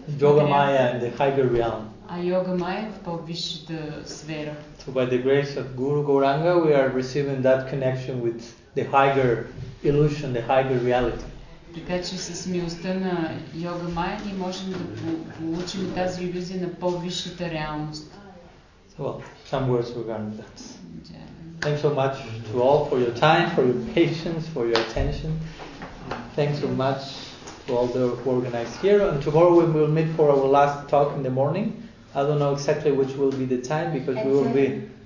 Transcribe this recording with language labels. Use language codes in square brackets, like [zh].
[en] Yoga Maya in the higher realm. [bg] А Йога Майя в по-висшата сфера. [en] So by the grace of Guru Gauranga we are receiving that connection with the higher illusion, the higher reality. [bg] Така че с милостта на Йога Майя ние можем да получим тази иллюзия на по-висшата реалност. [en] Well, some words regarding that. Thanks so much to all for your time, for your patience, for your attention. Thanks so much to all the who organized here. And tomorrow we will meet for our last talk in the morning. I don't know exactly which will be the time because we will be...